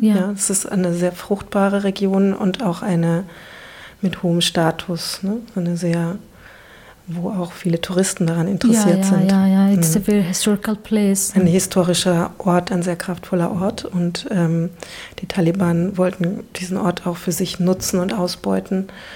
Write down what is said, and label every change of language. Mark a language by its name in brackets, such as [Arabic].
[German] Ja, das ist eine sehr fruchtbare Region und auch eine mit hohem Status, ne? Eine sehr wo auch viele Touristen daran interessiert sind. Ja, ja, ja, [English] it's a very historical place. [German] Ein historischer Ort, ein sehr kraftvoller Ort. Und die Taliban wollten diesen Ort auch für sich nutzen und ausbeuten.